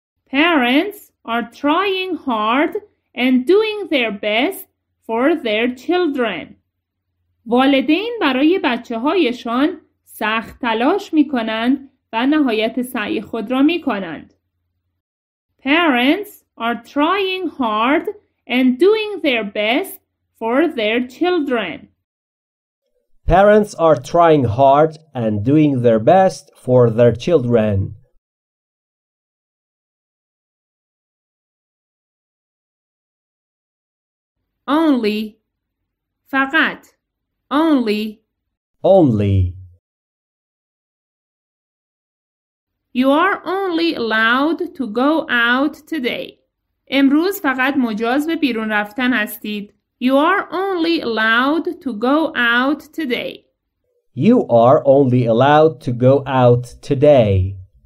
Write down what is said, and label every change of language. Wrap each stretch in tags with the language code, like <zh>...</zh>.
<en>Parents are trying hard and doing their best for their children.</en> <fa>والدین برای بچه هایشان سخت تلاش می کنند و نهایت سعی خود را می کنند.</fa> <en>Parents are trying hard and doing their best for their children. Parents are trying hard and doing their best for their children. Only. فقط. Only. Only. You are only allowed to go out today.</en> <fa>امروز فقط مجاز به بیرون رفتن هستید.</fa> <en>You are only allowed to go out today. You are only allowed to go out today.</en>